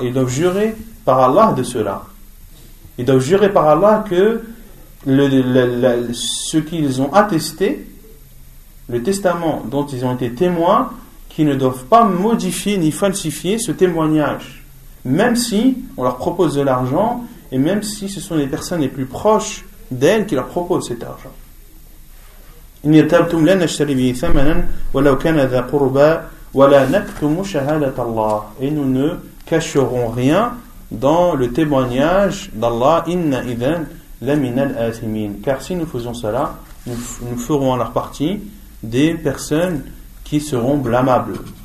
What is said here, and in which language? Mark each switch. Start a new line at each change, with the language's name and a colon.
French: Ils doivent jurer par Allah de cela. Ils doivent jurer par Allah que ce qu'ils ont attesté, le testament dont ils ont été témoins, qu'ils ne doivent pas modifier ni falsifier ce témoignage. Même si on leur propose de l'argent, et même si ce sont les personnes les plus proches d'elles qui leur proposent cet argent.
Arabic: إن ارتبتم لا نشتري به ثمنا ولو كان ذا قربى ولا نكتم شهادة الله.
French: Et nous ne cacherons rien dans le témoignage d'Allah.
Arabic: إن إذا لمن الآثمين.
French: Car si nous faisons cela, nous ferons à leur partie des personnes qui seront blâmables.